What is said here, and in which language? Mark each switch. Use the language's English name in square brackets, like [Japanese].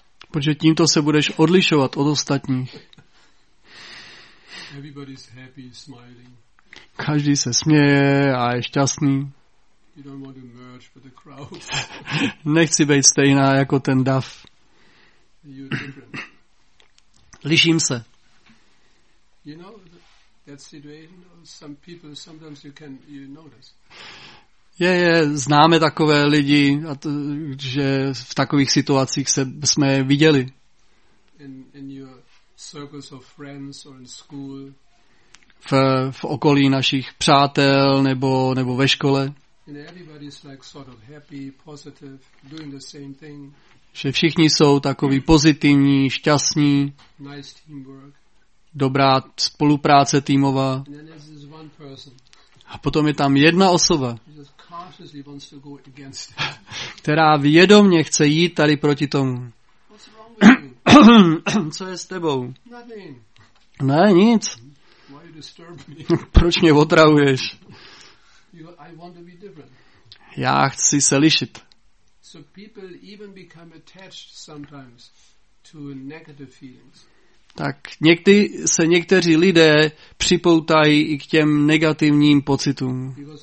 [Czech] Protože tímto se budeš odlišovat od ostatních. [English] Everybody's happy, smiling. [Czech] Každý se směje a je šťastný. [English] You don't want to merge with the crowd. [Czech] Nechci být stejná jako ten dav. [English] You're different. [Czech] Liším se. [English] You know that situation. Some people sometimes you can you notice. [Czech] Je, známe takové lidi, a to, že v takových situacích se jsme je viděli. [English] In your circles of friends or in school. [Czech] V okolí našich přátel nebo ve škole. [English] And everybody's like sort of happy, positive, doing the same thing. [Czech] Že všichni jsou takový pozitivní, šťastní. [English] Nice teamwork. [Czech] Dobrá spolupráce týmová. [English] And then there's one person. [Czech] A potom je tam jedna osoba, [English] consciously wants to go against it. [Czech] Která vědomě chce jít tady proti tomu. [English] What's wrong with you? [Czech] Co je s tebou? [English] Nothing. [Czech] Ne, nic. [English] Why you disturb me? [Czech] Proč mě otravuješ? [English] I want to be different. [Czech] Já chci se lišit. [English] So people even become attached sometimes to negative feelings. [Czech] Tak někteří lidé připoutají i k těm negativním pocitům.